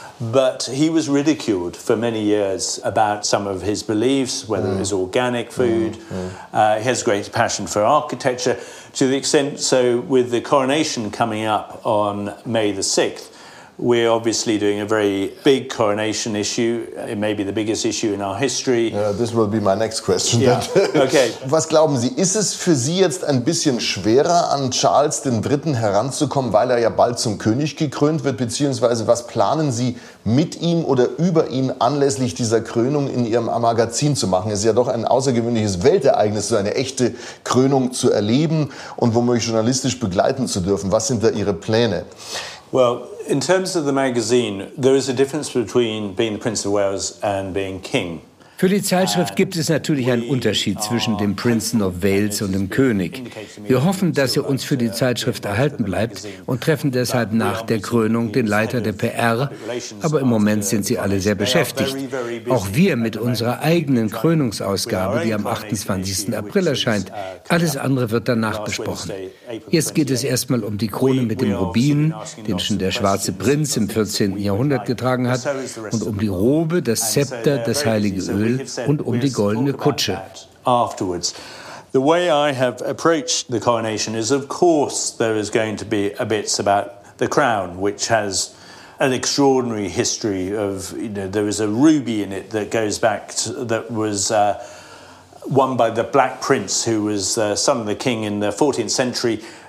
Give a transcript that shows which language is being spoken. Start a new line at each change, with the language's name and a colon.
English: But he was ridiculed for many years about some of his beliefs, whether it was organic food. He has great passion for architecture, to the extent, so with the coronation coming up on May the 6th, We're obviously doing a very big coronation issue. It may be the biggest issue in our history. Yeah, this will be my next question. Yeah. Okay.
German: Was glauben Sie, ist es für Sie jetzt ein bisschen schwerer, an Charles III. Heranzukommen, weil er ja bald zum König gekrönt wird? Beziehungsweise was planen Sie mit ihm oder über ihn anlässlich dieser Krönung in Ihrem Magazin zu machen? Es ist ja doch ein außergewöhnliches Weltereignis, so eine echte Krönung zu erleben und womöglich journalistisch begleiten zu dürfen. Was sind da Ihre Pläne?
English: Well, in terms of the magazine, there is a difference between being the Prince of Wales and being king.
German: Für die Zeitschrift gibt es natürlich einen Unterschied zwischen dem Prinzen of Wales und dem König. Wir hoffen, dass er uns für die Zeitschrift erhalten bleibt und treffen deshalb nach der Krönung den Leiter der PR. Aber im Moment sind sie alle sehr beschäftigt. Auch wir mit unserer eigenen Krönungsausgabe, die am 28. April erscheint. Alles andere wird danach besprochen. Jetzt geht es erstmal um die Krone mit dem Rubin, den schon der schwarze Prinz im 14. Jahrhundert getragen hat, und um die Robe, das Zepter, das heilige Öl. Und um die goldene Kutsche.
English: Afterwards, the way I have approached the coronation is, of course, there is going to be a bit about the crown, which has an extraordinary history of, you know, there is a ruby in it that goes back to, that was won by the Black Prince, who was son of the king in the 14th century.